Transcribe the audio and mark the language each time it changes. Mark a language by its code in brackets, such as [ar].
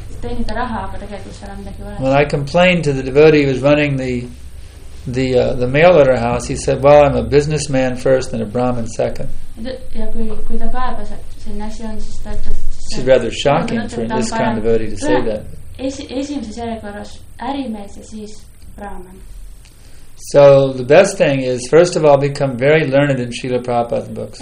[en] When I complained to the devotee who was running the mail order house, he said, well, I'm a businessman first and a Brahmin second. Which is rather shocking for this kind of devotee to say that. [et] Esimeses järjekorras ärimees ja siis Brahman. [en] So the best thing is first of all become very learned in Srila Prabhupada's books.